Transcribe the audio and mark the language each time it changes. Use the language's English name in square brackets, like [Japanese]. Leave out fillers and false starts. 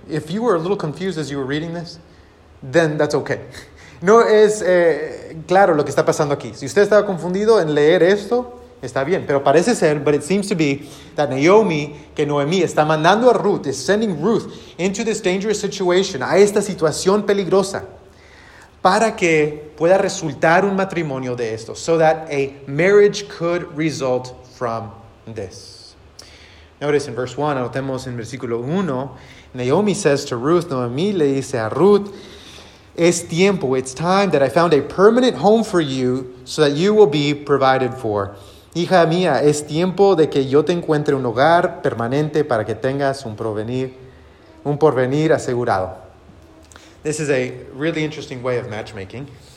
[English] If you were a little confused as you were reading this, then that's okay. [Spanish] No es claro lo que está pasando aquí. Si usted estaba confundido en leer esto, está bien. Pero parece ser, [English] but it seems to be, that Naomi, [Spanish] que Noemi, está mandando a Ruth, [English] is sending Ruth into this dangerous situation, [Spanish] a esta situación peligrosa, para que pueda resultar un matrimonio de esto. [English] So that a marriage could result from this. Notice in verse 1, [Spanish] notemos en versículo 1, [English] Naomi says to Ruth, [Spanish] Noemi le dice a Ruth, es tiempo, [English] it's time that I found a permanent home for you so that you will be provided for. [Spanish] Hija mía, es tiempo de que yo te encuentre un hogar permanente para que tengas un porvenir asegurado. [English] This is a really interesting way of matchmaking.